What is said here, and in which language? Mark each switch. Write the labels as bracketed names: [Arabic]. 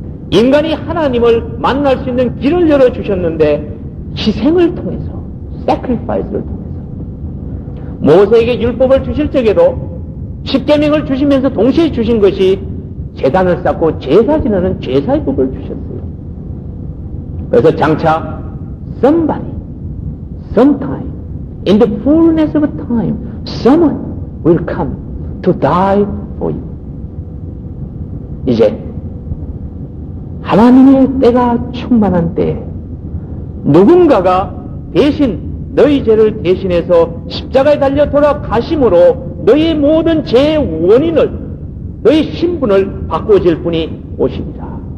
[Korean] 인간이 하나님을 만날 수 있는 길을 열어주셨는데 희생을 통해서 sacrifice를 통해서 모세에게 율법을 주실 적에도 십계명을 주시면서 동시에 주신 것이 제단을 쌓고 제사 지내는 제사의 법을 주셨어요. 그래서 장차 [English] somebody, sometime, in the fullness of time, someone will come to die for you. [Korean] 이제 하나님의 때가 충만한 때 누군가가 대신 너희 죄를 대신해서 십자가에 달려 돌아가심으로 너희의 모든 죄의 원인을 너희 신분을 바꿔줄 분이 오십니다.